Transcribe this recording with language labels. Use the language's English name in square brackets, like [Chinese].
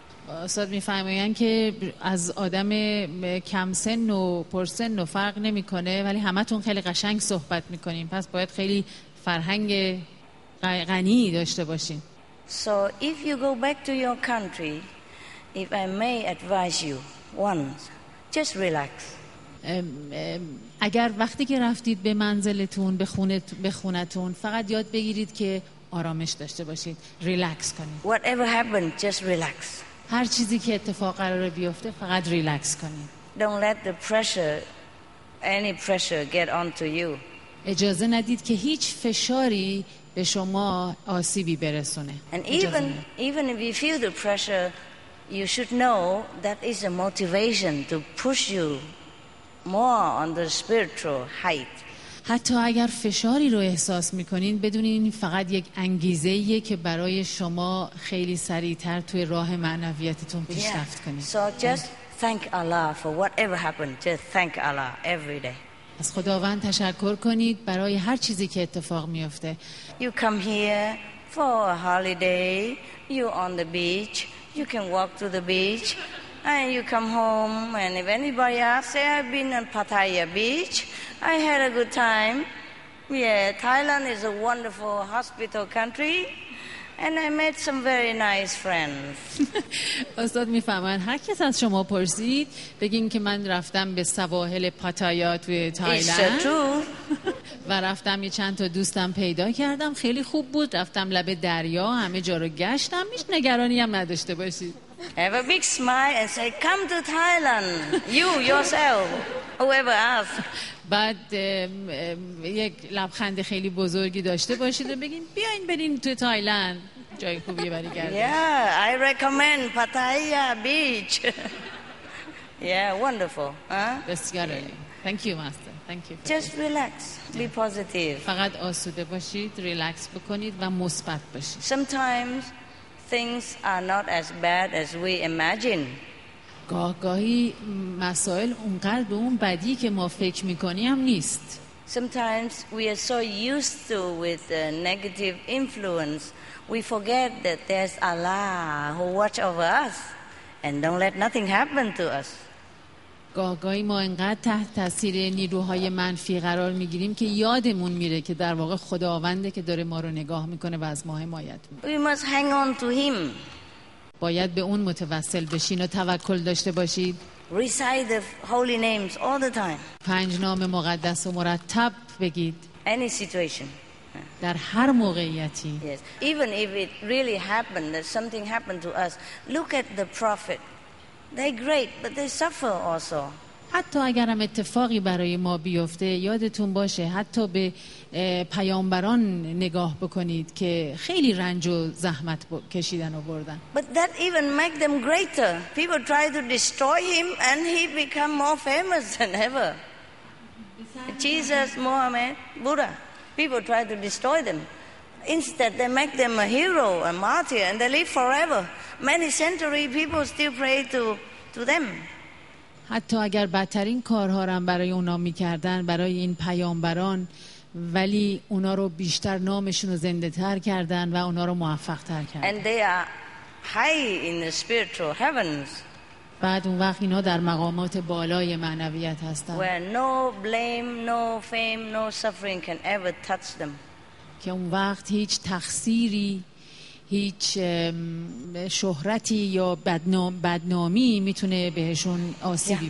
[Persian] استاد می‌فرمایند که از آدم کم سن و پرسن و فرق نمی‌کنه، ولی همه‌تون خیلی قشنگ صحبت می‌کنیم. پس باید خیلی فرهنگ غنی داشته باشیم. [English] So if you go back to your country, if I may advise you, one, just relax. [Persian] اگر وقتی که رفتید به منزلتون به خونتون فقط یاد بگیرید که آرامش داشته باشید، ریلکس کنید. [English] Whatever happened, just relax. [Persian] هر چیزی که اتفاق قراره بیفته فقط ریلکس کنید. [English] Don't let the pressure get onto you. [Persian] اجازه ندید که هیچ فشاری به شما آسیبی برسونه. [English] And even if you feel the pressure, you should know that is a motivation to push you more on the spiritual height. [Persian] حتی اگر فشاری رو احساس میکنین، بدونین فقط یک انگیزه‌ایه که برای شما خیلی سریعتر توی راه معنویتتون پیشرفت کنین. [English] So just thank Allah for whatever happened. Just thank Allah every day. [Persian] از خداوند تشکر کنید برای هر چیزی که اتفاق میفته. [English] You come here for a holiday. You're on the beach. You can walk to the beach. And you come home, and if anybody asks, say, I've been on Pattaya Beach, I had a good time. Yeah, Thailand is a wonderful hospital country, and I met some very nice friends. [Persian] استاد میفهمن هر کس از شما پرسید بگین که من رفتم به سواحل پاتایا توی تایلند. [English] It's true. [Persian] و رفتم یه چند تا دوستم پیدا کردم، خیلی خوب بود. رفتم لبه دریا، همه جا رو گشتم. هیچ نگرانی هم نداشته باشید. [English] Have a big smile and say, come to Thailand, you, yourself, whoever else. [Persian] بعد یک لبخند خیلی بزرگی داشته باشید و بگین بیاین برین تو تایلند، جای خوبی برای گردش. [English] Yeah, I recommend Pattaya Beach. Yeah, wonderful. [Persian] بسیار عالی. [English] Thank you, Master. Thank you. Just relax. Be positive. [Persian] فقط آسوده باشید، ریلکس بکنید و مثبت باشید. [English] Sometimes things are not as bad as we imagine. [Persian] گاهی مسائل اونقدر به اون بدی که ما فکر میکنیم نیست. [English] Sometimes we are so used to with the negative influence, we forget that there's Allah who watch over us and don't let nothing happen to us. [Persian] گاهی ما اینقدر تحت تاثیر نیروهای منفی قرار میگیریم که یادمون میره که در واقع خداونده که داره ما رو نگاه میکنه و از ما حمایت میکنه. [English] We must hang on to him. [Persian] باید به اون متوسل بشین و توکل داشته باشید. [English] Recite the holy names all the time. [Persian] پنج نام مقدس و مرتب بگید. [English] Any situation. [Persian] در هر موقعیتی. [English] Yes. Even if it really happened that something happened to us, look at the prophet. They're great, but they suffer also. [Persian] حتی اگر هم اتفاقی برای ما بیفته، یادتون باشه حتی به پیامبران نگاه بکنید که خیلی رنج و زحمت کشیدن و بردن. [English] But that even make them greater. People try to destroy him and he become more famous than ever. Jesus, Muhammad, Buddha. People try to destroy them. Instead, they make them a hero, a martyr, and they live forever. Many centuries, people still pray to them. [Persian] حتی اگر بدترین کارها را برای اونا می کردن، برای این پیامبران، ولی اونا رو بیشتر نامشون رو زنده تر کردن و اونا رو موفق تر کردن. [English] And they are high in the spiritual heavens. [Persian] بعد اون وقت اینا در مقامات بالای معنویت هستن. [English] Where no blame, no fame, no suffering can ever touch them. [Persian] که اون وقت هیچ تقصیری، هیچ شهرتی یا بدنامی میتونه بهشون آسیبی yeah.